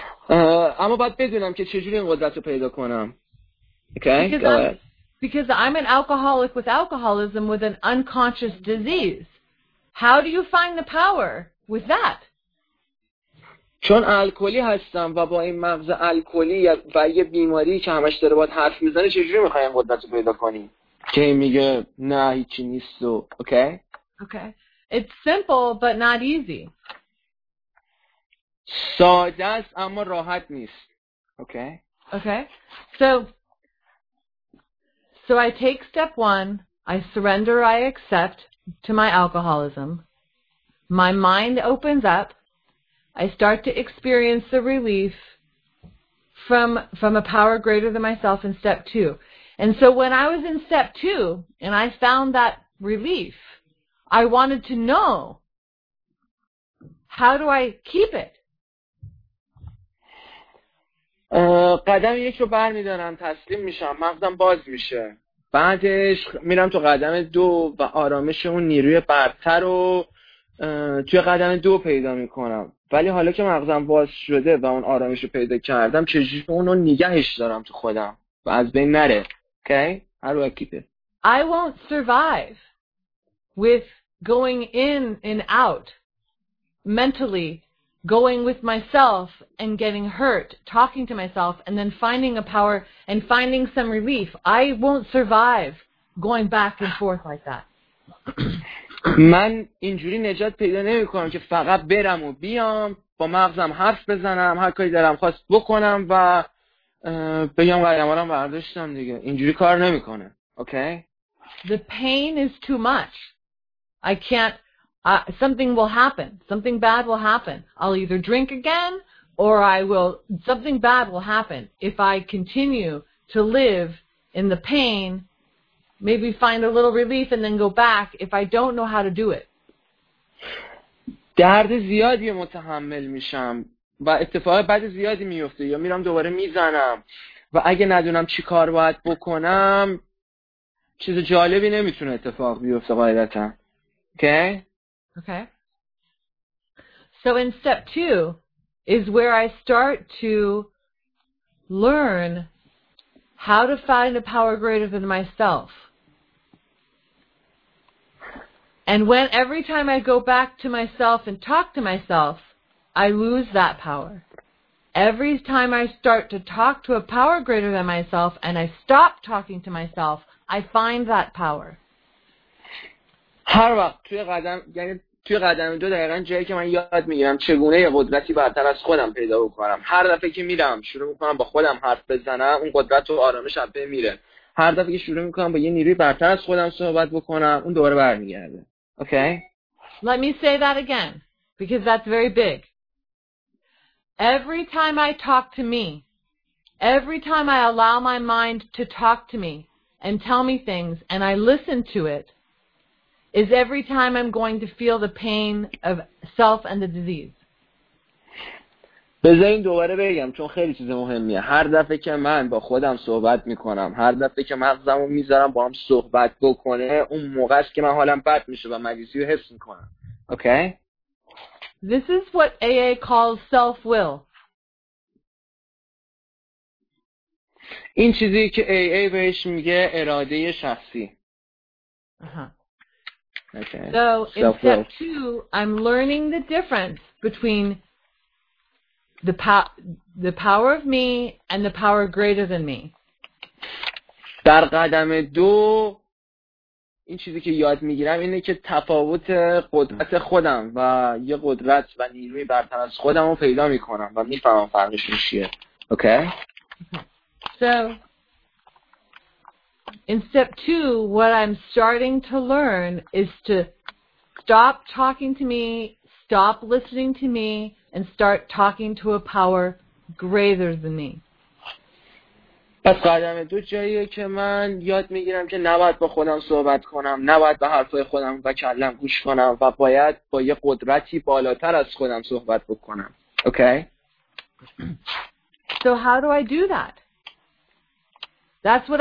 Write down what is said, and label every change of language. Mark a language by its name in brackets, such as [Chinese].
[Persian] اما باید بدونم که چجوری این قدرت رو پیدا کنم. [English] Okay. Because I'm an alcoholic with alcoholism with an unconscious disease. How do you find the power with that? [Persian] چون الکلی هستم و با این مغز الکلی و یه بیماری که همش داره باید حرف میزنه چجوری میخوای این قدرت رو پیدا کنی؟ که میگه نه هیچی نیست و okay? [English] Okay. It's simple but not easy. [Persian] ساده است اما راحت نیست. Okay. [English] Okay. So I take step 1, I surrender, I accept to my alcoholism. My mind opens up. I start to experience the relief from a power greater than myself in step 2. And so when I was in step 2 and I found that relief, I wanted to know, how do I keep it? [Persian] قدم یک رو بر میدارم تسلیم میشم مغزم باز میشه بعدش میرم تو قدم 2 و آرامش اون نیروی برتر رو توی قدم 2 پیدا میکنم ولی حالا که مغزم باز شده و اون آرامش رو پیدا کردم چجوری اون رو نگهش دارم تو خودم و از بین نره. [English] Okay? How do I keep it? I won't survive with going in and out mentally, going with myself and getting hurt, talking to myself, and then finding a power and finding some relief. I won't survive going back and forth like that. [Persian] من اینجوری نجات پیدا نمی کنم که فقط برم و بیام با مغزم حرف بزنم هر کاری دارم خواست بکنم و بگم قدمارم برداشتم دیگه اینجوری کار نمی کنه. [English] Okay? The pain is too much. I can't something will happen. Something bad will happen. I'll either drink again or something bad will happen if I continue to live in the pain maybe find a little relief and then go back if I don't know how to do it. [Persian] درد زیادی متحمل میشم و اتفاق بعد زیادی میفته یا میرم دوباره میزنم و اگه ندونم چی کار باید بکنم چیز جالبی نمیتونه اتفاق بیفته قاعدتا. [English] Okay? Okay. So in step two is where I start to learn how to find a power greater than myself. And when every time I go back to myself and talk to myself, I lose that power. Every time I start to talk to a power greater than myself and I stop talking to myself, I find that power. [Persian] هر وقت توی قدم یعنی توی قدم دو دقیقاً جایی که من یاد میگیرم چگونه یه قدرتی برتر از خودم پیدا بکنم. هر دفعه که میرم شروع میکنم با خودم حرف بزنم، اون قدرت و آرامش از بین میره. هر دفعه که شروع میکنم با یه نیروی برتر از خودم صحبت بکنم، اون دوباره برمیگرده. [English] Okay. Let me say that again because that's very big. Every time I talk to me, every time I allow my mind to talk to me and tell me things and I listen to it, is every time I'm going to feel the pain of self and the disease. [Persian] بذارین دوباره بگم چون خیلی چیز مهمیه. هر دفعه که من با خودم صحبت میکنم، هر دفعه که مغزمو میذارم با هم صحبت بکنه، اون موقع است که من حالم بد میشه و مریضی رو حس میکنم. [English] Okay? This is what AA calls self-will. [Persian] این چیزی که AA بهش میگه اراده شخصی. [English] Okay. So in step two, I'm learning the difference between the power of me and the power greater than me. [Persian] در قدم دو این چیزی که یاد میگیرم اینه که تفاوت قدرت خودم و یه قدرت و نیروی برتر از خودم رو پیدا میکنم و میفهمم فرقش چیه. [English] Okay. So in step two, what I'm starting to learn is to stop talking to me, stop listening to me, and start talking to a power greater than me. [Persian] پس قدم دو جاییه که من یاد میگیرم که نباید با خودم صحبت کنم، نباید به حرفای خودم و کلم گوش کنم و باید با یه قدرتی بالاتر از خودم صحبت بکنم. [English] Okay? So how do I do that? That's what